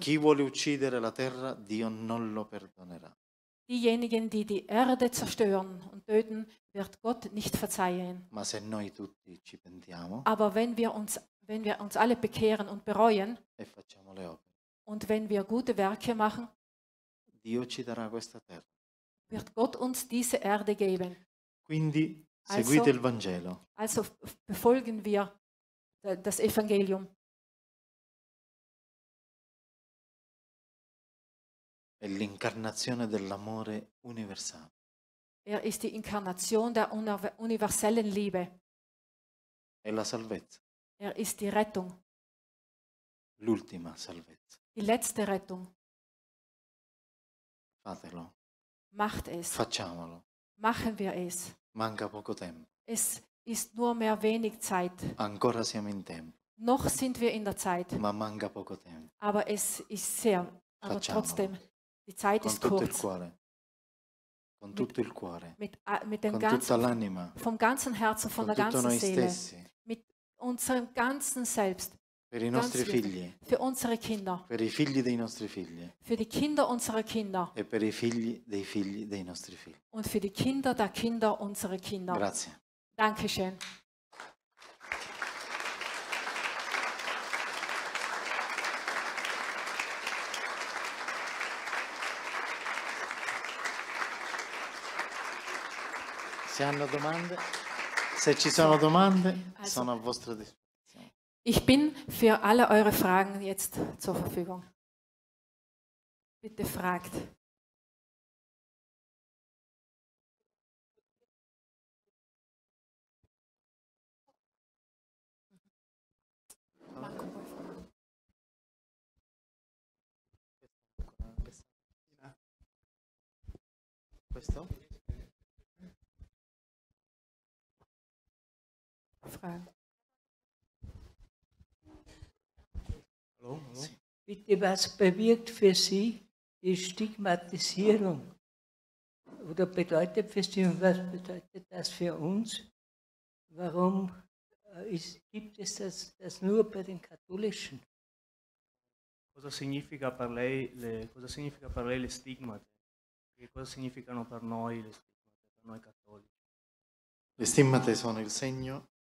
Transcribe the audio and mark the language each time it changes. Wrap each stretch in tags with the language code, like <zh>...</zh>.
<it>Chi vuole uccidere la terra, Dio non lo perdonerà.</it> <de>Diejenigen, die die Erde zerstören und töten, wird Gott nicht verzeihen.</de> <it>Ma se noi tutti ci pentiamo,</it> <de>aber wenn wir uns alle bekehren und bereuen</de> <it>e facciamo le opere,</it> <de>und wenn wir gute Werke machen,</de> <it>Dio ci darà questa terra.</it> <de>Wird Gott uns diese Erde geben.</de> <it>Quindi, seguite also, il Vangelo.</it> <de>Also befolgen wir das Evangelium.</de> <it>È l'incarnazione dell'amore universale.</it> <de>Er ist die Inkarnation der universellen Liebe.</de> <it>È la salvezza.</it> <de>Er ist die Rettung.</de> <it>L'ultima salvezza.</it> <de>Die letzte Rettung.</de> <it>Fatelo.</it> <de>Macht es.</de> <it>Facciamolo.</it> <de>Machen wir es.</de> <it>Manca poco tempo.</it> <de>Es ist nur mehr wenig Zeit.</de> <it>Ancora siamo in tempo.</it> <de>Noch sind wir in der Zeit.</de> <it>Ma manca poco tempo.</it> <de>Aber es ist sehr.</de> <it>Facciamolo.</it> <de>Aber trotzdem. Die Zeit</de> <it>con</it> <de>ist kurz.</de> <it>Con tutto il cuore. Con tutto il cuore.</it> <de>Mit dem</de> <it>con</it> <de>ganzen,</de> <it>tutta l'anima.</it> <de>Vom ganzen Herzen, von</de> <it>con</it> <de>der ganzen</de> <it>tutto noi</it> <de>Seele.</de> <it>Stessi.</it> <de>Mit unserem ganzen Selbst.</de> <it>Per i nostri figli.</it> <de>Für unsere Kinder.</de> <it>Per i figli dei nostri figli.</it> <de>Für die Kinder unserer Kinder.</de> <it>E per i figli dei nostri figli.</it> <de>Und für die Kinder der Kinder unserer Kinder.</de> <it>Grazie.</it> <de>Dankeschön.</de> <it>Se hanno domande, se ci sono domande, also, sono a vostra disposizione.</it> <de>Ich bin für alle eure Fragen jetzt zur Verfügung. Bitte fragt.</de> <it>Questo?</it> <de>Hallo, hallo. Bitte, was bewirkt für Sie die Stigmatisierung? Oder bedeutet für Sie, und was bedeutet das für uns? Warum gibt es das nur bei den Katholischen?</de> <it>Cosa significa per lei le stigmate? Che cosa significano per noi le stigmate, per noi cattolici? Le stigmate sono il segno.</it>